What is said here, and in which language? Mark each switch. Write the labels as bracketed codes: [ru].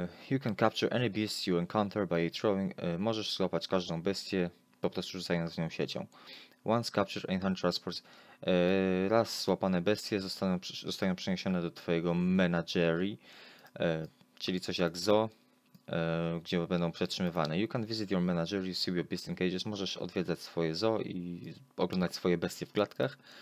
[en] You can capture any beast you encounter by throwing, [pl] możesz złapać każdą bestię, po prostu rzucając nią siecią. [en] Once captured, Einhard transports, [pl] raz złapane bestie zostają przeniesione do twojego menagerii, czyli coś jak zoo, gdzie będą przetrzymywane. [en] You can visit your menagerie, you see your beast in cages. [pl] Możesz odwiedzać swoje zoo i oglądać swoje bestie w klatkach.